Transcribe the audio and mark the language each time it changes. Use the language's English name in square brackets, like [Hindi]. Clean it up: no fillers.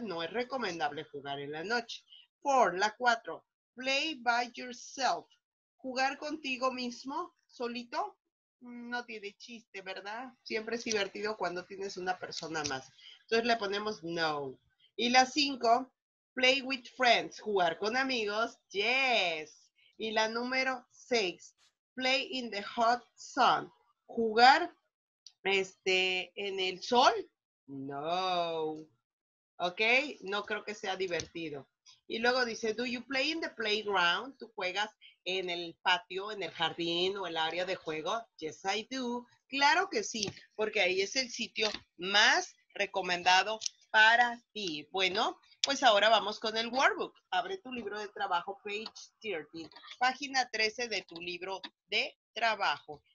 [Spanish] No es recomendable jugar en la noche. [English] Four, [Spanish] la cuatro, [English] play by yourself. [Spanish] ¿Jugar contigo mismo, solito? No tiene chiste, ¿verdad? Siempre es divertido cuando tienes una persona más. Entonces le ponemos no. Y la cinco, [English] play with friends. [Spanish] ¿Jugar con amigos? Yes. Y la número 6, [English] play in the hot sun. [Spanish] ¿Jugar en el sol? No. ¿Ok? No creo que sea divertido. Y luego dice, [English] do you play in the playground? [Spanish] ¿Tú juegas en el patio, en el jardín o el área de juego? [English] Yes, I do. [Spanish] Claro que sí, porque ahí es el sitio más recomendado para ti. Bueno, pues ahora vamos con el workbook. Abre tu libro de trabajo, page 13, página 13 de tu libro de trabajo.